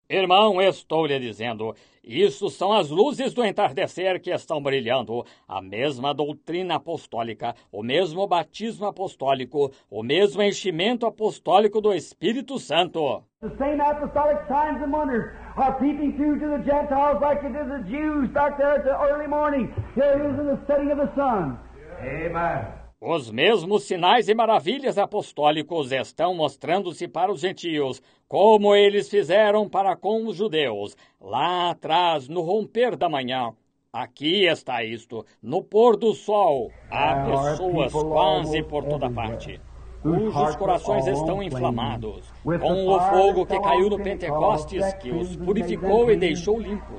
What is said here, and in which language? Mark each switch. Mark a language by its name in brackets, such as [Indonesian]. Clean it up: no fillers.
[Portuguese] Irmão, estou lhe dizendo, isso são as luzes do entardecer que estão brilhando. A mesma doutrina apostólica, o mesmo batismo apostólico, o mesmo enchimento apostólico do Espírito Santo. [English] The same apostolic signs and wonders are peeping through to the Gentiles like it did the Jews back there at the early morning. There is in the setting of the sun. Amen. [Portuguese] Os mesmos sinais e maravilhas apostólicos estão mostrando-se para os gentios, como eles fizeram para com os judeus. Lá atrás, no romper da manhã, aqui está isto, no pôr do sol. Há pessoas quase por toda parte, cujos corações estão inflamados, com o fogo que caiu no Pentecostes, que os purificou e deixou limpos.